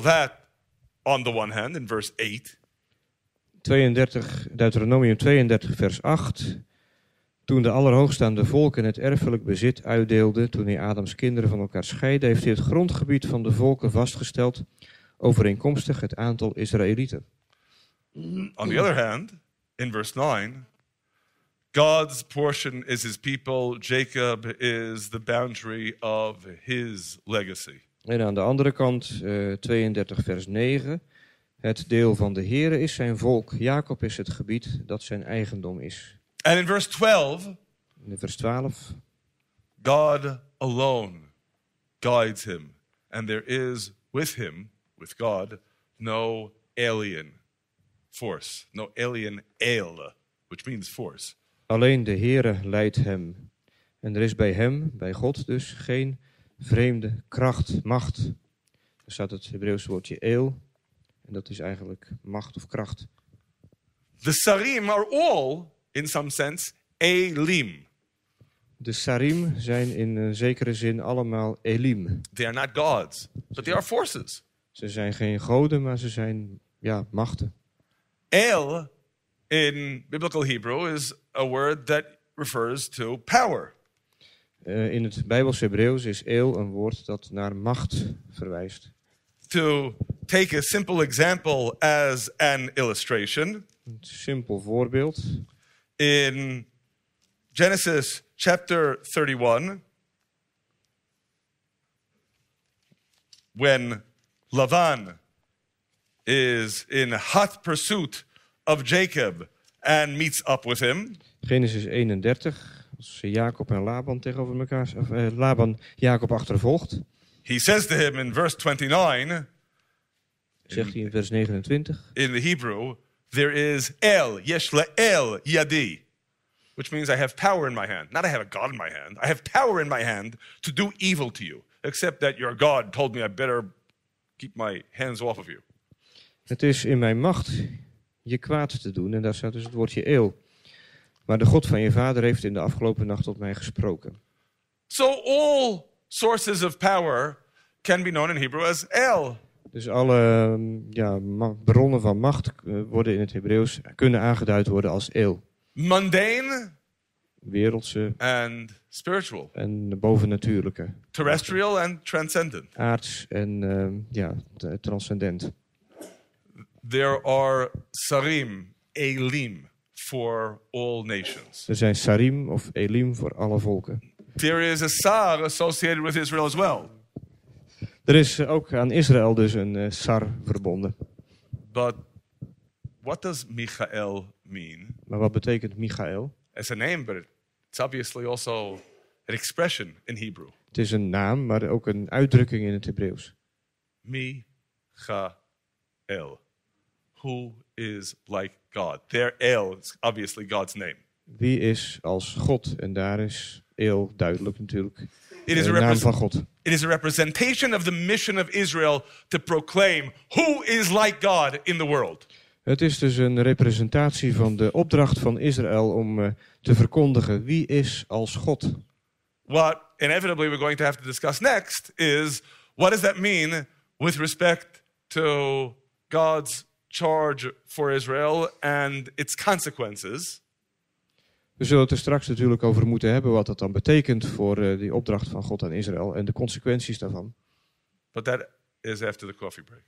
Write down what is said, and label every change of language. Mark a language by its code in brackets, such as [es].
[en] That, on the one hand, in verse 8. [nl] Deuteronomium 32, vers 8. Toen de allerhoogstaande volken het erfelijk bezit uitdeelde, toen hij Adams kinderen van elkaar scheidde, heeft hij het grondgebied van de volken vastgesteld, overeenkomstig het aantal Israëlieten. [en] On the other hand, in verse 9. God's portion is his people. Jacob is the boundary of his legacy. [nl] En aan de andere kant, 32 vers 9. Het deel van de Heere is zijn volk. Jacob is het gebied dat zijn eigendom is. [en] And in verse 12. [nl] In vers 12. [en] God alone guides him. And there is with him, with God, no alien force. No alien ale, which means force. [nl] Alleen de Heere leidt hem. En er is bij hem, bij God dus, geen vreemde kracht, macht. Er staat het Hebreeuwse woordje eel. En dat is eigenlijk macht of kracht. [en] The Sarim are all, in some sense, elim. [nl] De Sarim zijn in een zekere zin allemaal elim. [en] They are not gods, but they are forces. [nl] Ze zijn geen goden, maar ze zijn, ja, machten. [en] Eel in biblical Hebrew is a word that refers to power. [nl] In het Bijbels Hebreeuws is eel een woord dat naar macht verwijst. [en] To take a simple example as an illustration. [nl] Een simpel voorbeeld. [en] In Genesis chapter 31, when Lavan is in hot pursuit of Jacob and meets up with him. [nl] Genesis 31, als Jacob en Laban tegenover elkaar, of Laban Jacob achtervolgt. [en] He says to him in verse 29. [nl] Zegt hij in vers 29. [en] In the Hebrew, there is el, [he] yesh le'el yadi, [en] which means I have power in my hand. Not I have a god in my hand. I have power in my hand to do evil to you. Except that your god told me I better keep my hands off of you. [nl] Het is in mijn macht je kwaad te doen, en daar staat dus het woordje eeuw. Maar de God van je vader heeft in de afgelopen nacht tot mij gesproken. [en] So all sources of power can be known in Hebrew as el. [nl] Dus alle bronnen van macht worden in het Hebreeuws kunnen aangeduid worden als eeuw. [en] Mundane. [nl] Wereldse. [en] And spiritual. [nl] En de bovennatuurlijke. [en] Terrestrial and transcendent. [nl] Aards en transcendent. [en] There are sarim, elim, for all nations. [nl] Er zijn sarim of elim voor alle volken. [en] There is a sar associated with Israel as well. [nl] Er is ook aan Israël dus een sar verbonden. [en] But what does Michael mean? [nl] Maar wat betekent Michael? [en] It's a name, but it's obviously also an expression in Hebrew. [nl] Het is een naam, maar ook een uitdrukking in het Hebreeuws. [en] Michael. Who is like God? Their El is obviously God's name. [nl] Wie is als God? En daar is heel duidelijk natuurlijk [en] it is [nl] de naam van God. [en] It is a representation of the mission of Israel to proclaim who is like God in the world. [nl] Het is dus een representatie van de opdracht van Israël om te verkondigen wie is als God. [en] What inevitably we're going to have to discuss next is what does that mean with respect to God's charge for Israel and its consequences. [nl] We zullen het er straks natuurlijk over moeten hebben wat dat dan betekent voor die opdracht van God aan Israël en de consequenties daarvan. [en] But that is after the coffee break.